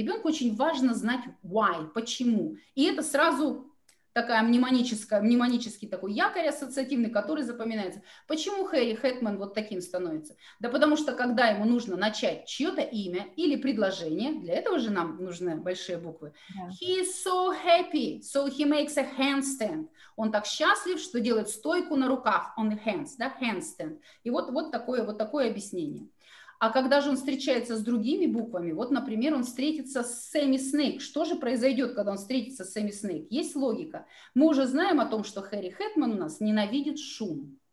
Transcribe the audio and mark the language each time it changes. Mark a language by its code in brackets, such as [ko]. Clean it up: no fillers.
[ru] Ребенку очень важно знать why, почему. И это сразу... такая мнемоническая, мнемонический такой якорь ассоциативный, который запоминается. Почему Harry Hatman вот таким становится? Да потому что, когда ему нужно начать чье-то имя или предложение, для этого же нам нужны большие буквы. [en] Yeah. He is so happy, so he makes a handstand. [ru] Он так счастлив, что делает стойку на руках. [en] On the hands, [ru] да, handstand. И вот такое объяснение. А когда же он встречается с другими буквами, вот, например, он встретится с Сэмми Снейк. Что же произойдет, когда он встретится с Сэмми Снейк? Есть логика. Мы уже знаем о том, что Harry Hatman у нас ненавидит шум.